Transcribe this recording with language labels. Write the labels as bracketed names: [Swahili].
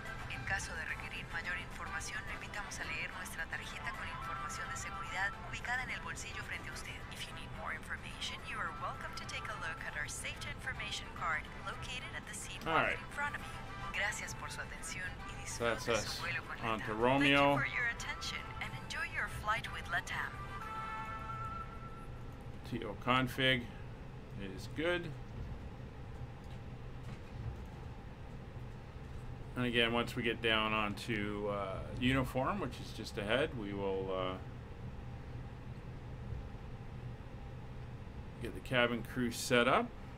[Spanish] En caso de requerir mayor información, le invitamos a leer nuestra tarjeta con información de seguridad ubicada en el bolsillo frente a usted. [English] If you need more information, you are welcome to take a look at our safety information card located at the seat right in front of you. [Spanish] Gracias por su atención y disfrute su vuelo con LATAM. [English] On to Romeo. Thank you for your attention and enjoy your flight with LATAM. TO config is good. And again, once we get down onto uniform, which is just ahead, we will get the cabin crew set up.